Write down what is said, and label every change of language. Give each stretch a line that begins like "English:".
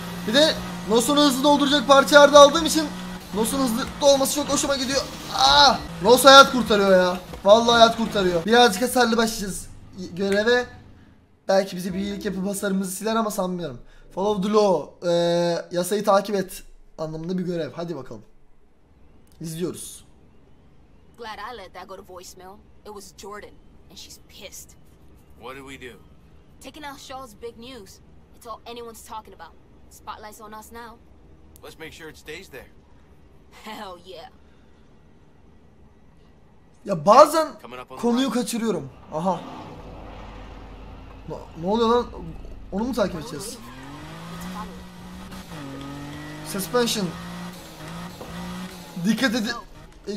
Turkish: Bir de Nosso'nun hızlı dolduracak parçalar da aldığım için Nosso'nun hızlı dolması çok hoşuma gidiyor. Aaa! Nosso hayat kurtarıyor ya. Vallahi hayat kurtarıyor. Birazcık hasarlı başlayacağız göreve. Belki bizi bir iyilik yapıp hasarımızı siler ama sanmıyorum.
English: Follow the law.
Turkish: Yasayı takip et anlamında bir görev. Hadi bakalım. İzliyoruz.
English: Glad I let that go to voicemail. It was Jordan and she's pissed. What did we do? Taking out Shaw's big news. It's all anyone's talking about. Spotlight's on us now. Let's make sure it stays there. Hell yeah.
Turkish: Ya bazen konuyu kaçırıyorum. Aha. Ne oluyor lan? Onu mu takip edeceğiz? Suspension. Dikkat edin.